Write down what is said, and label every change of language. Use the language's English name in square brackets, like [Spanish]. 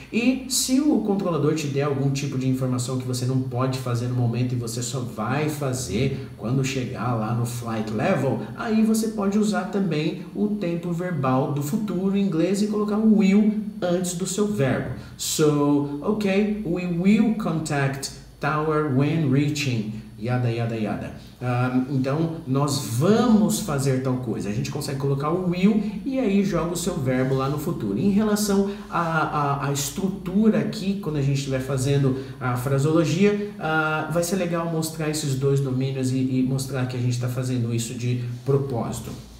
[Portuguese] E se o controlador te der algum tipo de informação que você não pode fazer no momento e você só vai fazer quando chegar lá no flight level, aí você pode usar também o tempo verbal do futuro em inglês e colocar o will antes do seu verbo. [English] So, ok, we will contact tower when reaching. [Portuguese] Yada, yada, yada. Então, nós vamos fazer tal coisa. A gente consegue colocar o will e aí joga o seu verbo lá no futuro. Em relação à estrutura aqui, quando a gente estiver fazendo a fraseologia, vai ser legal mostrar esses dois domínios e mostrar que a gente está fazendo isso de propósito.